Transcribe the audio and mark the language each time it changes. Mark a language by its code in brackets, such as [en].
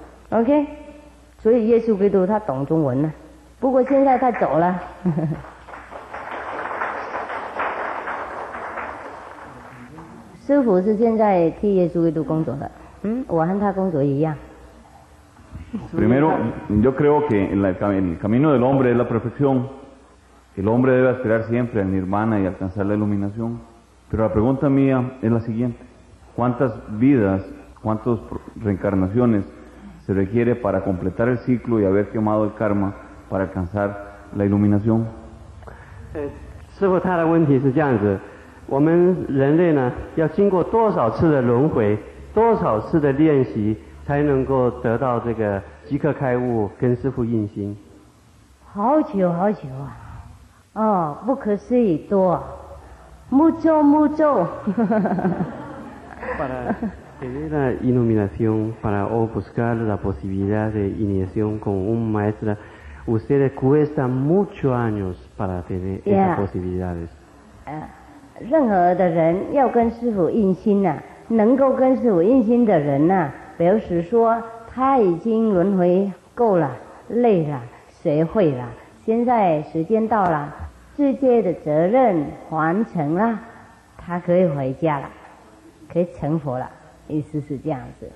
[zh] OK， 所以耶稣基督他懂中文了，不过现在他走了。师父是现在替耶稣基督工作的，我和他工作一样。 [es] Primero, yo creo que en el camino del hombre es la perfección. El hombre debe aspirar siempre a Nirvana y alcanzar la iluminación. Pero la pregunta mía es la siguiente: ¿cuántas vidas, cuántas reencarnaciones se requiere para completar el ciclo y haber quemado el karma para alcanzar la iluminación? [zh] 师父他的问题是这样子：我们人类呢，要经过多少次的轮回，多少次的练习？才能够得到这个即刻开悟跟师父印心，好久好久啊，哦，不可思议多，木咒木咒。 [es] Para tener la iluminación, para buscar la posibilidad de iniciación con un maestro, ustedes cuesta muchos años para tener esas posibilidades. [zh] 任何的人要跟师父印心呐、能够跟师父印心的人呐、表示说他已经轮回够了，累了，学会了，现在时间到了，世界的责任完成了，他可以回家了，可以成佛了，意思是这样子。